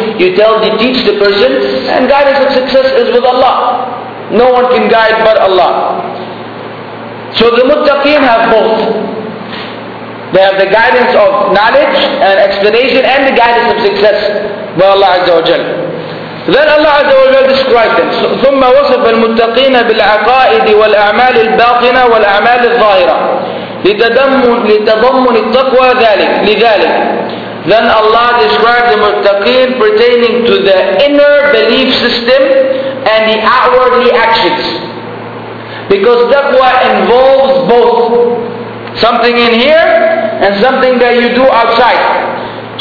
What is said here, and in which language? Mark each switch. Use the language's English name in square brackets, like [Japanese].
[English] You tell, you teach the person. And guidance of success is with Allah. No one can guide but Allah. So the muttaqeen have both. They have the guidance of knowledge and explanation and the guidance of success by Allah Azza wa Jalla. Then Allah Azza wa Jalla described them. [Arabic] ثم وصف المتقين بالعقائد والأعمال الباطنة والأعمال الظاهرة لتضمن التقوى لذلك. [English] Then Allah described the muttaqin pertaining to the inner belief system and the outwardly actions. Because taqwa involves both something in here and something that you do outside.